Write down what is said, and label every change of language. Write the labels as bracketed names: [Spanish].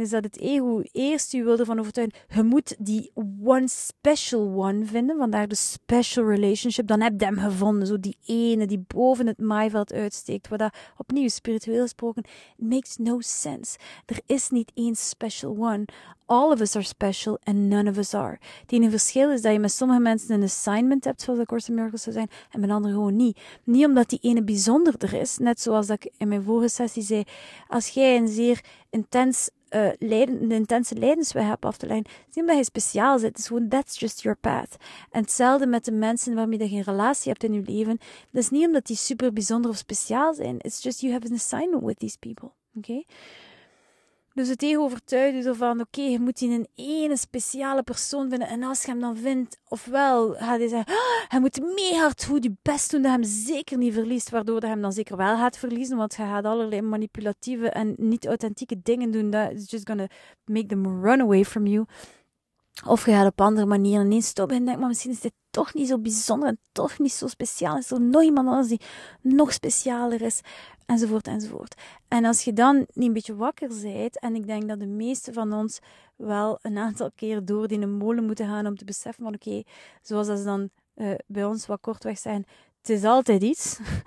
[Dutch] Is dat het ego eerst u wil ervan overtuigen. Je moet die [English] one special one [Dutch] vinden. Vandaar de special relationship. Dan heb je hem gevonden. Zo die ene die boven het maaiveld uitsteekt. Wat dat opnieuw spiritueel gesproken makes no sense. Er is niet één special one. [English] All of us are special and none of us are. [Dutch] Het enige verschil is dat je met sommige mensen een assignment hebt, zoals de Course in Miracles zou zijn, en met anderen gewoon niet. Niet omdat die ene bijzonderder is, net zoals dat ik in mijn vorige sessie zei, als jij een zeer intense lijdensweg hebt af te leggen, niet omdat je speciaal zit, het is gewoon [English] that's just your path. [Dutch] En hetzelfde met de mensen waarmee je geen relatie hebt in je leven, dat is niet omdat die super bijzonder of speciaal zijn, [English] it's just you have an assignment with these people. [Dutch] Oké? Okay? Dus het ego overtuigt je ervan, oké, je moet die een ene speciale persoon vinden. En als je hem dan vindt, ofwel gaat hij zeggen, hij moet mee hard goed je best doen dat hem zeker niet verliest. Waardoor hij hem dan zeker wel gaat verliezen. Want je gaat allerlei manipulatieve en niet authentieke dingen doen. [English] That is just gonna make them run away from you. [Dutch] Of je gaat op andere manieren ineens stoppen en denkt, maar misschien is dit toch niet zo bijzonder en toch niet zo speciaal. Is er nog iemand anders die nog specialer is? Enzovoort, enzovoort. En als je dan niet een beetje wakker bent, en ik denk dat de meeste van ons wel een aantal keer door die een molen moeten gaan om te beseffen van oké, zoals dat ze dan bij ons wat kortweg zijn, het is altijd iets.